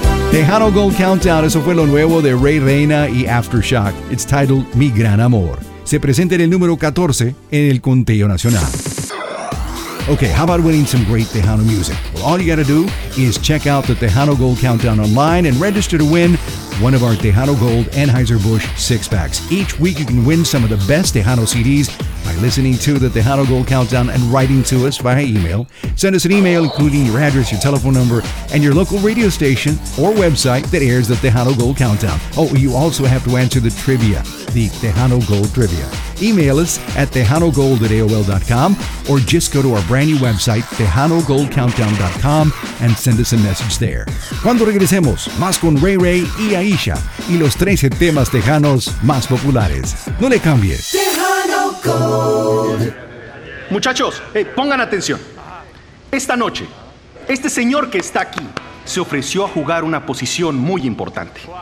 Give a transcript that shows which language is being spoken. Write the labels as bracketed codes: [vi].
[es] Tejano Gold Countdown, eso fue lo nuevo de Ray Reyna y Aftershock. [en] It's titled [es] Mi Gran Amor. Se presenta en el número 14 en el conteo nacional. [en] Okay, how about winning some great Tejano music? Well, all you gotta do is check out the Tejano Gold Countdown online and register to win one of our Tejano Gold Anheuser-Busch six-packs. Each week you can win some of the best Tejano CDs by listening to the Tejano Gold Countdown and writing to us via email. Send us an email including your address, your telephone number, and your local radio station or website that airs the Tejano Gold Countdown. Oh, you also have to answer the trivia, the Tejano Gold Trivia. Email us at TejanoGold@AOL.com or just go to our brand new website, TejanoGoldCountdown.com, and send us a message there. [es] Cuando regresemos, más con Ray Ray y Aisha y los 13 temas tejanos más populares. No le cambies. Tejano Gold. Muchachos, hey, pongan atención. Esta noche, este señor que está aquí se ofreció a jugar una posición muy importante.